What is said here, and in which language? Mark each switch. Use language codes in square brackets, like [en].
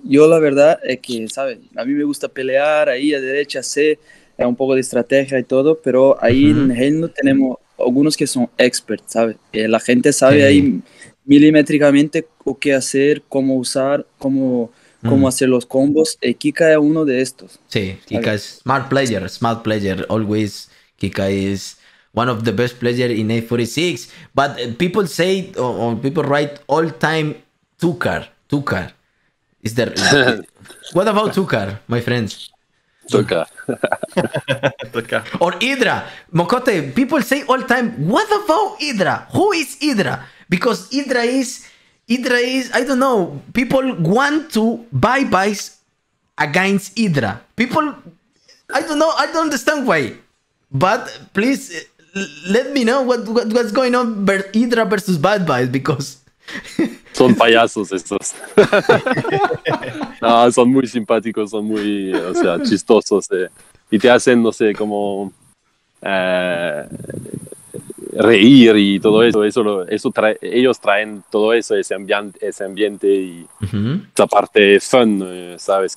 [es] Yo la verdad es que, ¿sabes? A mí me gusta pelear ahí a derecha, C, un poco de estrategia y todo, pero ahí en Reino tenemos algunos que son experts, ¿sabes? La gente sabe ahí milimétricamente qué hacer, cómo usar, cómo hacer los combos. Y Kika es uno de estos. Sí, Kika es [en] smart player. Always, Kika is one of the best players in A46. But people say, or people write all time Tukar. Is there... What about Tukar, my friends? Tuca. Or Hydra. Mocote, people say all time, what about Hydra? Who is Hydra? Because Hydra is, I don't know, people want to buy buys against Hydra. People, I don't know, I don't understand why. But please let me know what's going on with Hydra versus Bad Buys, because... [es] Son payasos estos. No, son muy simpáticos, son muy, o sea, chistosos. Y te hacen, no sé, como reír y todo eso. Ellos traen todo eso, ese ambiente y esa parte fun, ¿sabes?